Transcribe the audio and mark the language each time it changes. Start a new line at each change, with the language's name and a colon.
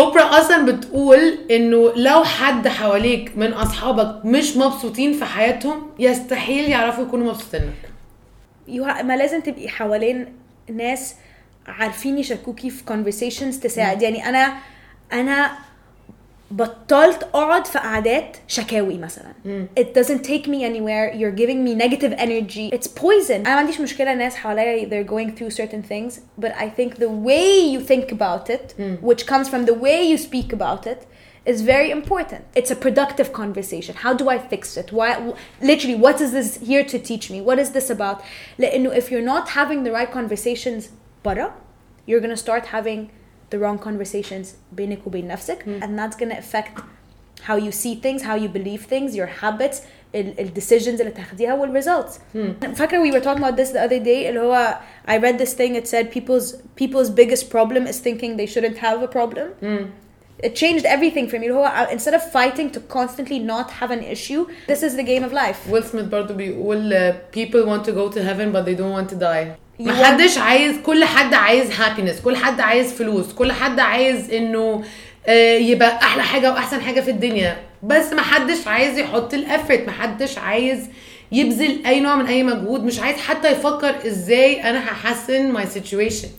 Arabic: أوبرا أصلا بتقول إنه لو حد حواليك من أصحابك مش مبسوطين في حياتهم يستحيل يعرفوا يكونوا مبسوطين. ما لازم تبقي حوالين ناس عارفين يشكوكي في conversations تساعد. يعني أنا بطلت أقعد في قعدات شكاوي مثلا.
English: It doesn't take me anywhere. You're giving me negative energy. It's poison.
Arabic: أنا ما عنديش مشكلة الناس حواليا
English: they're going through certain things, but I think the way you think about it, which comes from the way you speak about it, is very important. It's a productive conversation. How do I fix it? Why? Literally, what is this here to teach me? What is this about?
Arabic: لأنه
English: if you're not having the right conversations
Arabic: برا,
English: you're gonna start having the wrong conversations
Arabic: بينك وبين نفسك.
English: And that's gonna affect how you see things, how you believe things, your habits, the decisions
Arabic: اللي تاخديها
English: والresults.
Arabic: فاكرة
English: we were talking about this the other day,
Arabic: اللي هو
English: I read this thing, it said people's biggest problem is thinking they shouldn't have a problem. It changed everything for me.
Arabic: اللي هو
English: instead of fighting to constantly not have an issue, this is the game of life. Will Smith
Arabic: برضو بيقول
English: people want to go to heaven but they don't want to die.
Arabic: محدش عايز كل حد عايز happiness كل حد عايز فلوس كل حد عايز انه يبقى احلى حاجة واحسن حاجة في الدنيا بس محدش عايز يحط الافرت محدش عايز يبذل اي نوع من اي مجهود مش عايز حتى يفكر ازاي انا هحسن
English: my situation